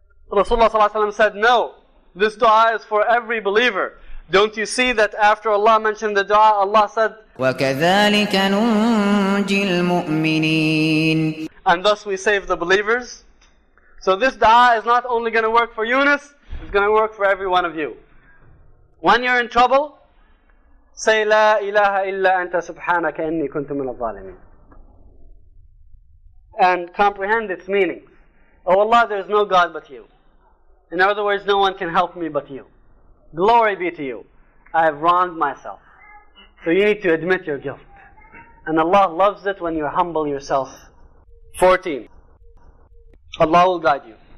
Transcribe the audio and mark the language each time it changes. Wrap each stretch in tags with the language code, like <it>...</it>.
<en>Rasulullah صلى الله عليه وسلم said, "No, this dua is for every believer. Don't you see that after Allah mentioned the dua, Allah said,</en> <ar>وَكَذَلِكَ نُنْجِي الْمُؤْمِنِينَ</ar> <en>And thus we save the believers. So this dua is not only going to work for Yunus, it's going to work for every one of you. When you're in trouble, say,</en> <ar>لا إله إلا أنت سبحانك إني كنت من الظالمين.</ar> <en>And comprehend its meaning. Oh Allah, there is no God but you. In other words, no one can help me but you. Glory be to you. I have wronged myself. So you need to admit your guilt. And Allah loves it when you humble yourself. 14. Allah will guide you.</en>